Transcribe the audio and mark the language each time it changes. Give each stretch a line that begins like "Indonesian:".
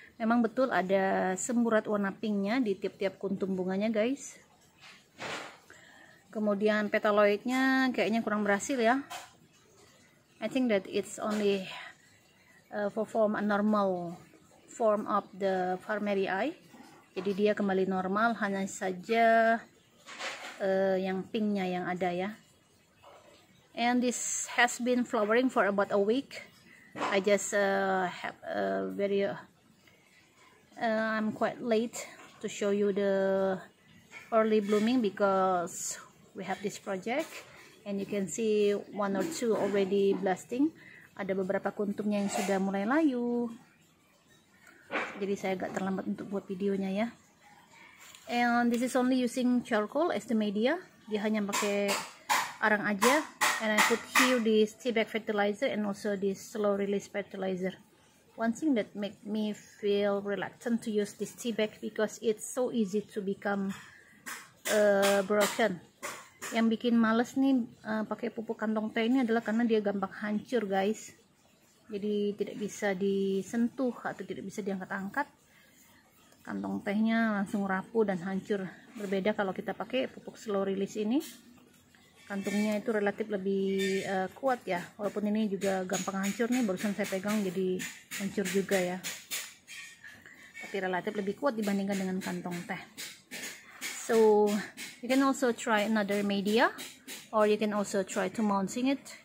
Indonesian: Memang betul ada semburat warna pinknya di tiap-tiap kuntum bunganya guys. Kemudian petaloidnya kayaknya kurang berhasil ya.
English: I think that it's only perform a normal form of the Parmeri eye.
Indonesian: Jadi dia kembali normal, hanya saja yang pinknya yang ada ya.
English: And this has been flowering for about a week. I just have a very I'm quite late to show you the early blooming because we have this project and you can see one or two already blasting.
Indonesian: Ada beberapa kuntumnya yang sudah mulai layu. Jadi saya agak terlambat untuk buat videonya ya.
English: And this is only using charcoal as the media.
Indonesian: Dia hanya pakai arang aja.
English: And I put here this tea bag fertilizer and also this slow release fertilizer. One thing that make me feel reluctant to use this tea bag because it's so easy to become broken.
Indonesian: Yang bikin males nih pakai pupuk kantong teh ini adalah karena dia gampang hancur guys. Jadi tidak bisa disentuh atau tidak bisa diangkat-angkat. Kantong tehnya langsung rapuh dan hancur. Berbeda kalau kita pakai pupuk slow release ini. Kantungnya itu relatif lebih kuat ya, walaupun ini juga gampang hancur nih, barusan saya pegang jadi hancur juga ya. Tapi relatif lebih kuat dibandingkan dengan kantong teh.
English: So, you can also try another media, or you can also try to mounting it.